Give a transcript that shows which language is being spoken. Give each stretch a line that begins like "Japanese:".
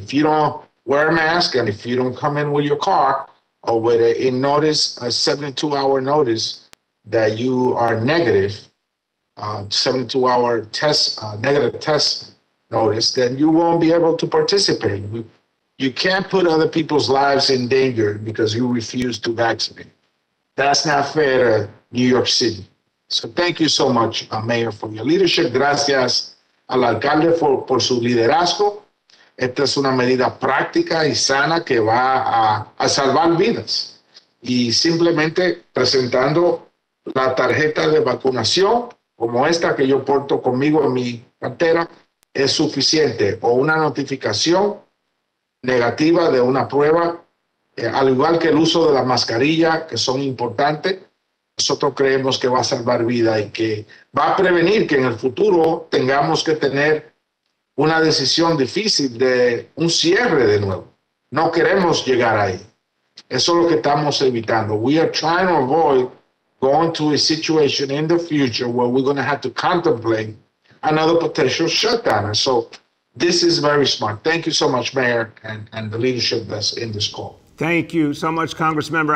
English: If you don't wear a mask and if you don't come in with your car or with a 72-hour notice that you are negative, 72-hour test, negative test notice, then you won't be able to participate. You can't put other people's lives in danger because you refuse to vaccinate. That's not fair to New York City. So thank you so much, Mayor, for your leadership.
Spanish: Gracias al alcalde por su liderazgo. Esta es una medida práctica y sana que va a salvar vidas. Y simplemente presentando la tarjeta de vacunación como esta que yo porto conmigo en mi cartera es suficiente. O una notificación negativa de una prueba, al igual que el uso de la mascarilla, que son importantes, nosotros creemos que va a salvar vida y que va a prevenir que en el futuro tengamos que tener una decisión difícil de un cierre de nuevo. No queremos llegar ahí. Eso es lo que estamos evitando.
English: We are trying to avoid going to a situation in the future where we're going to have to contemplate another potential shutdown. And so this is very smart. Thank you so much, Mayor, and the leadership that's in this call. Thank you so much, Congressmember.